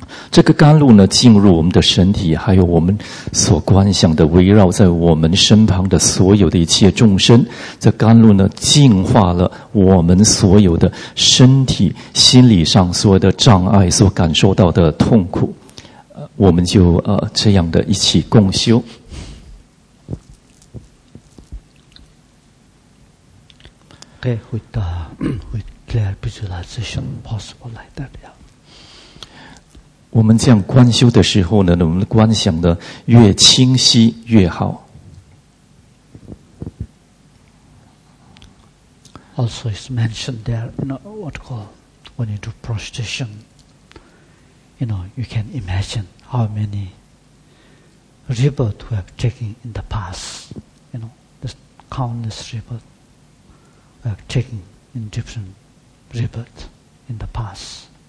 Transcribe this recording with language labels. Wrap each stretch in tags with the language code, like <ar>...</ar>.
<zh>这个甘露呢进入我们的身体，还有我们所观想的围绕在我们身旁的所有的一切众生，这甘露呢净化了我们所有的身体心理上所有的障碍，所感受到的痛苦，我们就这样的一起共修。</zh> <en>Okay, with clear visualization possible like that, yeah.</en> <zh>我们这样观修的时候呢，我们观想的越清晰越好。</zh> <en>Also, it's mentioned there, you know, what call when you do prostration. You know, you can imagine how many rebirth we have taken in the past. You know, this countless rebirth, we have taken in different rebirth in the past.</en>